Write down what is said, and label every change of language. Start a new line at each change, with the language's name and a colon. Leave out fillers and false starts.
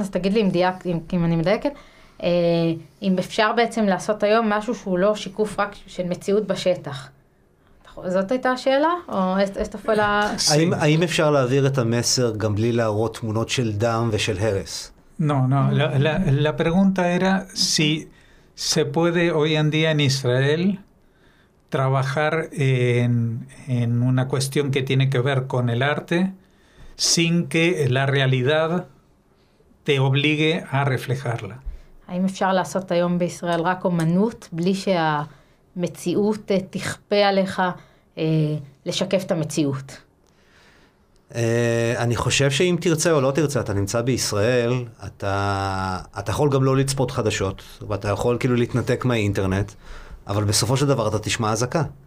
Hebrew: אז תגיד לי אם דייק, אם אני מדייקת, אם אפשר בעצם לעשות היום משהו שהוא לא שיקוף רק של מציאות בשטח. זאת הייתה השאלה? או איזה פעולה... האם אפשר להעביר את המסר גם בלי להראות תמונות של דם ושל הרס?
Spanish: No. La pregunta era si... ¿Se puede hoy en día en Israel trabajar en una cuestión que tiene que ver con el arte sin que la realidad te obligue a reflejarla? ¿Hay
Hebrew: אפשר לעשות היום בישראל רק אומנות בלי שהמציאות תכפה עליך לשקף את המציאות? אני חושב שאם תרצה או לא תרצה, אתה נמצא בישראל, אתה יכול גם לא לצפות חדשות, ואתה יכול כאילו להתנתק מהאינטרנט, אבל בסופו של דבר אתה תשמע אזעקה.